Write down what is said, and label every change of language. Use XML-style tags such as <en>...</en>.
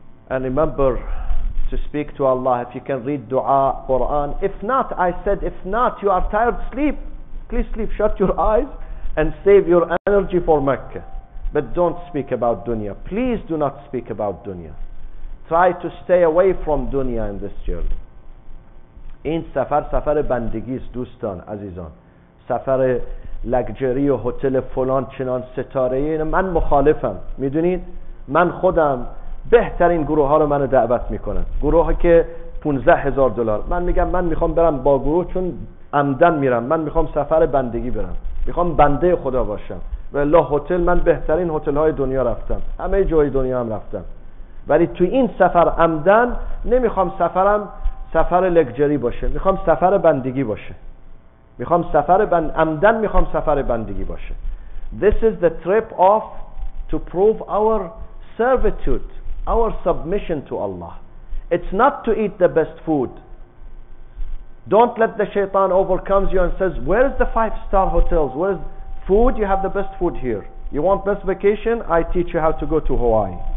<en>And remember to speak to Allah. If you can read dua, Quran. If not, I said, if not, you are tired, sleep. Please sleep, shut your eyes and save your energy for Mecca. But don't speak about dunya. Please do not speak about dunya. Try to stay away from dunya in this journey.</en> <fa>این سفر سفر بندگیست دوستان عزیزان، سفر لگجری و هتل فلان چنان ستاره ای، من مخالفم. میدونید من خودم بهترین گروه ها رو منو دعوت میکنن، گروه ها که 15,000 دلار. من میگم من میخوام برم با گروه، چون عمدن میرم، من میخوام سفر بندگی برم، میخوام بنده خدا باشم. والله هتل، من بهترین هتل های دنیا رفتم، همه جای دنیا هم رفتم، ولی تو این سفر عمدن نمیخوام سفرم سفر لگجری باشه، میخوام سفر بندگی باشه، میخوام سفر عمدن میخوام سفر بندگی باشه.</fa> <en>This is the trip of to prove our servitude, our submission to Allah. It's not to eat the best food. Don't let the shaitan overcomes you and says, where is the 5-star hotels? Where is food? You have the best food here. You want best vacation? I teach you how to go to Hawaii.</en>